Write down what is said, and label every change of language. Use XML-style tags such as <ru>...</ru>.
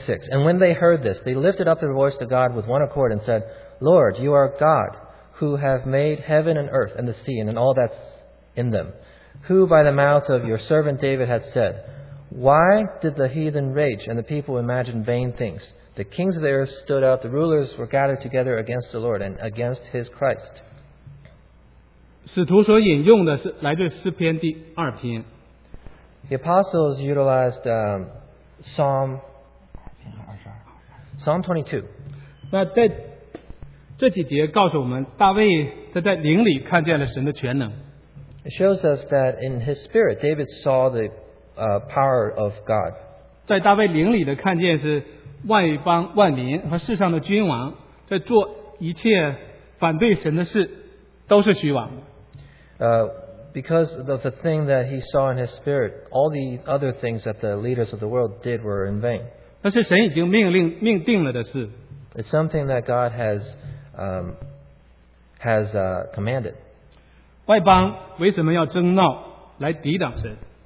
<en>And when they heard this, they lifted up their voice to God with one accord and said, Lord, you are God, who have made heaven and earth and the sea and all that's in them, who by the mouth of your servant David has said, Why did the heathen rage and the people imagine vain things? The kings of the earth stood up, the rulers were gathered together against the Lord and against his Christ.</en> <zh>使徒所引用的是来自诗篇第二篇。</zh> <en>The apostles utilized Psalm 22.</en> <zh>那在这几节告诉我们，大卫他在灵里看见了神的全能。</zh> <en>It shows us that in his spirit, David saw the power of God.</en> <zh>在大卫灵里的看见是外邦万民和世上的君王在做一切反对神的事都是虚妄的。</zh> <en>Because of the thing that he saw in his spirit, all the other things that the leaders of the world did were in vain.</en> <zh>那是神已经命定了的事。</zh> <en>It's something that God has commanded.</en> <zh>外邦为什么要争闹来抵挡神？</zh>